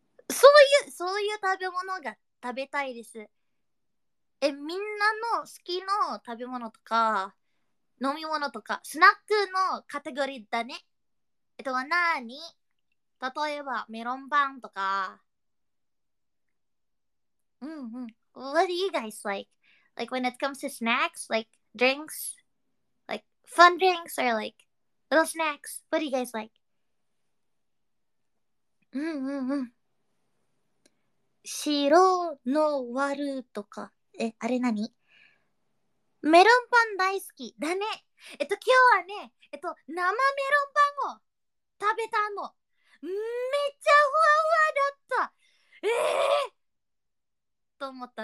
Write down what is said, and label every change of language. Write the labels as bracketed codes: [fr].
[ja] そういう食べ物が食べたいです。え、みんなの好きの食べ物とか飲み物とかスナックのカテゴリーだね。なーに、例えばメロンパンとか。 [en] What do you guys like? Like when it comes to snacks, like drinks, like fun drinks or like little snacks, what do you guys like? [ja] シロの割るとか、え、あれ何？メロンパン大好きだね。今日はね、生メロンパンを食べたの。めっちゃふわふわだった。と思った。